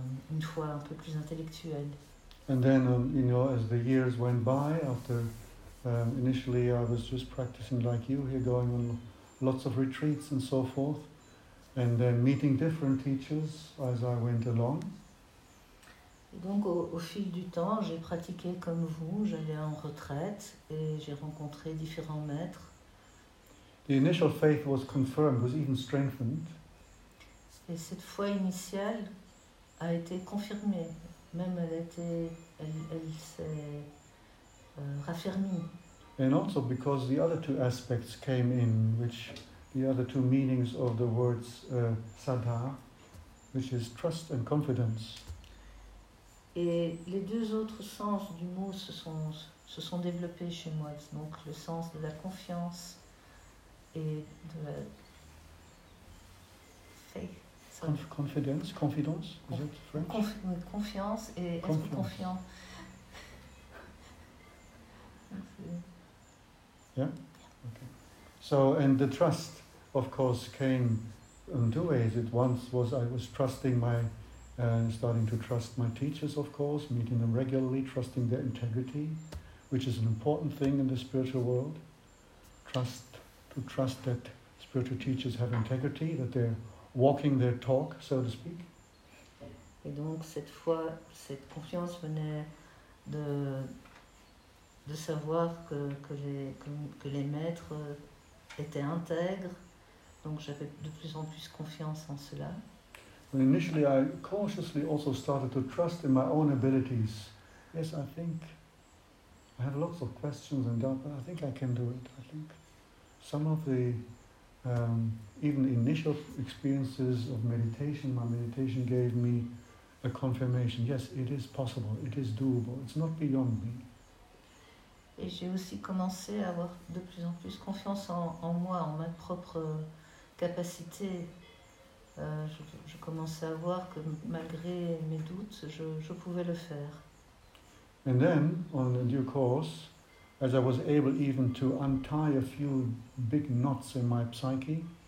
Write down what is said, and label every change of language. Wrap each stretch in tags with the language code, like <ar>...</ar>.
<fr>une foi un peu plus intellectuelle.</fr> <en>And then, you know, as the years went by, after initially I was just practicing like you here, going on lots of retreats and so forth, and then meeting different teachers as I went along.</en> <fr>Et donc, au fil du temps, j'ai pratiqué comme vous, j'allais en retraite et j'ai rencontré différents maîtres.</fr> <en>The initial faith was confirmed, was even strengthened.</en> <fr>Et cette foi initiale a été confirmée, même elle s'est raffermie.</fr> <en>And also because the other two aspects came in, which the other two meanings of the words sadha, which is trust and confidence.</en> <fr>Et les deux autres sens du mot se sont développés chez moi, donc le sens de la confiance et de la</fr> <en>confidence, is it French?</en> <fr>Confiance et confiance. Être confiant.</fr> <en>Yeah. Okay. So and the trust, of course, came in two ways. It once was I was trusting my and starting to trust my teachers, of course, meeting them regularly, trusting their integrity, which is an important thing in the spiritual world. To trust that spiritual teachers have integrity, that they're walking their talk, so to speak.</en> <fr>Et donc cette foi, cette confiance venait de savoir que les maîtres étaient intègres, donc j'avais de plus en plus confiance en cela.</fr> <en>And initially, I cautiously also started to trust in my own abilities. Yes, I think I have lots of questions and doubt, but I think I can do it. I think some of the even initial experiences of meditation, my meditation gave me a confirmation. Yes, it is possible. It is doable. It's not beyond me.</en> <fr>Et j'ai aussi commencé à avoir de plus en plus confiance en moi, en ma propre capacité. Je commençais à voir que malgré mes doutes, je pouvais le faire.</fr> <en>And then, on a due course, as I was able even to untie a few big knots in my psyche.</en>